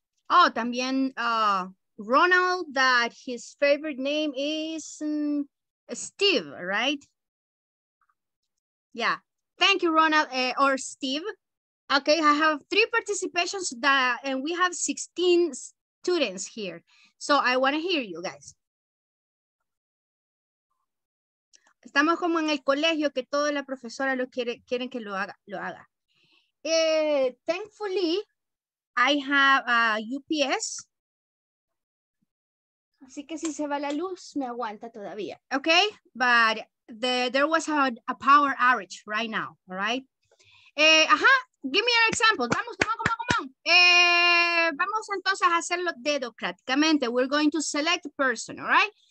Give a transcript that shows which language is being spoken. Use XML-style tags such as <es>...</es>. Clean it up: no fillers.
<en>Oh,</en> <es>también</es> <en>Ronald, that his favorite name is Steve, right? Yeah, thank you, Ronald, or Steve. Okay, I have three participations and we have 16 students here. So I wanna hear you guys.</en> <es>Estamos como en el colegio que toda la profesora lo quiere, quieren que lo haga.</es> <en>Thankfully, I have a UPS.</en> <es>Así que si se va la luz, me aguanta todavía.</es> <en>Okay, but there was a power outage right now, all right?</en> <es>Ajá,</es> <en>give me an example.</en> <es>Vamos, vamos, vamos, vamos. Vamos entonces a hacerlo dedocráticamente.</es> <en>We're going to select a person, all right?</en>